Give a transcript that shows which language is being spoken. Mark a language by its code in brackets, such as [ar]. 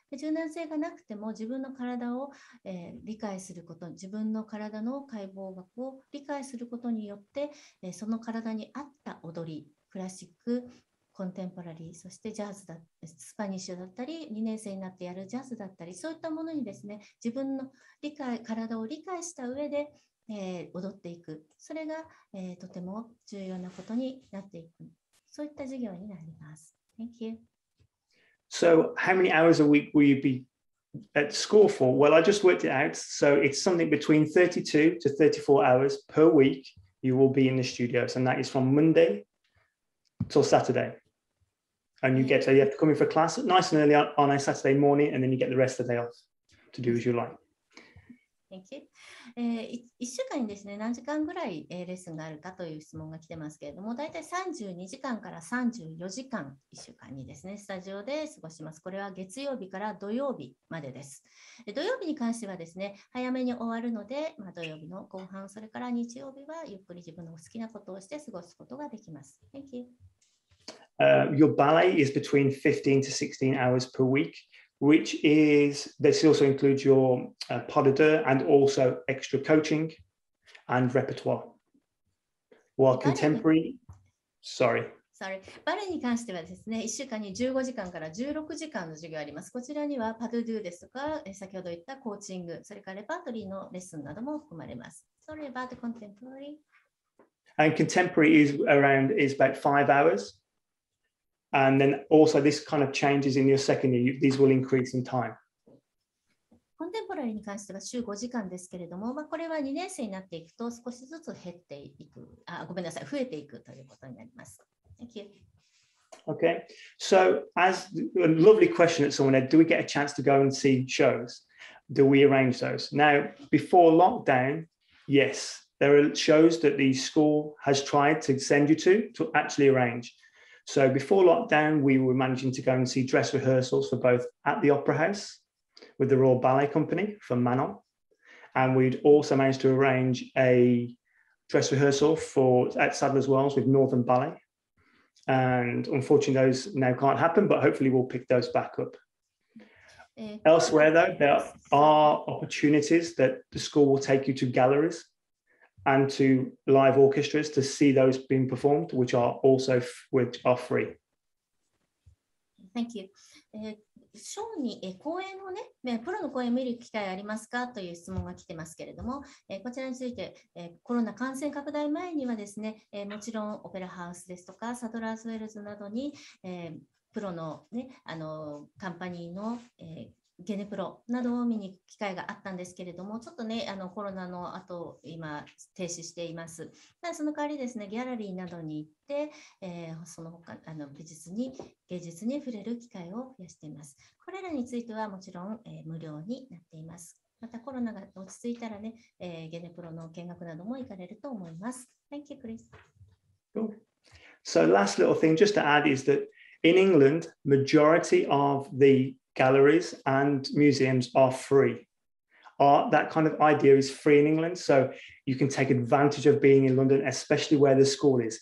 [ja] 柔軟性がなくても、自分の体を、理解すること、自分の体の解剖学を理解することによって、その体に合った踊り、クラシック、コンテンポラリー、そしてジャズだ、スパニッシュだったり、2年生になってやるジャズだったり、そういったものにですね、自分の理解、体を理解した上で、踊っていく。それが、とても重要なことになっていく。そういった授業になります。 [en] Thank you. So, how many hours a week will you be at school for? Well, I just worked it out. So, it's something between 32 to 34 hours per week you will be in the studios. And that is from Monday. Till Saturday, and you get you have to come in for class nice and early on a Saturday morning, and then you get the rest of the day off to do as you like. Thank you. [ja] 1週間にですね、何時間ぐらい、レッスンがあるかという質問が来てますけれども、大体32時間から34時間、1週間にですね、スタジオで過ごします。これは月曜日から土曜日までです。土曜日に関してはですね、早めに終わるので、まあ、土曜日の後半、それから日曜日はゆっくり自分の好きなことをして過ごすことができます。 [en] Thank you. Your ballet is between 15 to 16 hours per week. Which is, this also includes your pas de deux and also extra coaching and repertoire. While contemporary, sorry. Sorry. [ja] バレエに関してはですね、1週間に15時間から16時間の授業があります。こちらにはパドゥドゥですとか、先ほど言ったコーチング、それからレパートリーのレッスンなども含まれます。 [en] Sorry about the contemporary. And contemporary is around is about 5 hours. And then also this kind of changes in your second year. These will increase in time. [ja] コンテンポラリーに関しては週5時間ですけれども、まあ、これは2年生になっていくと少しずつ減っていく、あ、ごめんなさい、増えていくということになります。 [en] Thank you. Okay. So, as a lovely question that someone had, do we get a chance to go and see shows? Do we arrange those? Now, before lockdown, yes, there are shows that the school has tried to send you to actually arrange. So, before lockdown, we were managing to go and see dress rehearsals for both at the Opera House. With the Royal Ballet Company from Manon. And we'd also managed to arrange a dress rehearsal for at Sadler's Wells with Northern Ballet. And unfortunately, those now can't happen, but hopefully we'll pick those back up. Elsewhere, though, there are opportunities that the school will take you to galleries and to live orchestras to see those being performed, which are also which are free. Thank you. [ja] ショーに公演をね、プロの公演を見る機会ありますかという質問が来てますけれども、こちらについて、コロナ感染拡大前にはですね、もちろんオペラハウスですとかサドラーズウェルズなどに、プロのね、あのカンパニーの、ゲネプロなどを見に行く機会があったんですけれども、ちょっとね、あのコロナの後今停止しています。ただその代わりですね、ギャラリーなどに行って、その他あの美術に芸術に触れる機会を増やしています。これらについてはもちろん、無料になっています。またコロナが落ち着いたらね、ゲネプロの見学なども行かれると思います。 [en] Thank you, Chris. So last little thing just to add is that in England, majority of theGalleries and museums are free. That kind of idea is free in England. So you can take advantage of being in London, especially where the school is.